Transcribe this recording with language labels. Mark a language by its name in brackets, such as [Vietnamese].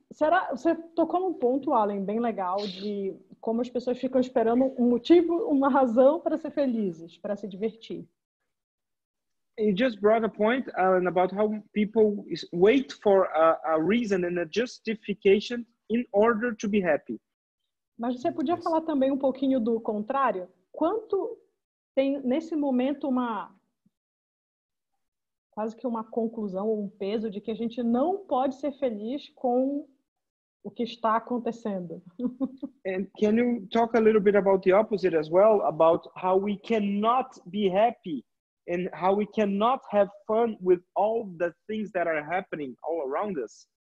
[Portuguese] Será, você tocou num ponto, Alan, bem legal, de como as pessoas ficam esperando um motivo, uma razão para ser felizes, para se divertir. [English] You just brought a point, Alan, about how people wait for a reason and a justification in order to be happy. [Portuguese] Mas você podia falar também um pouquinho do contrário? Quanto tem, nesse momento, uma... quase que uma conclusão ou um peso de que a gente não pode ser feliz com o que está acontecendo. [English] And can you talk a little bit about the opposite as well, about how we cannot be happy and how we cannot have fun with all the things that are happening all around us?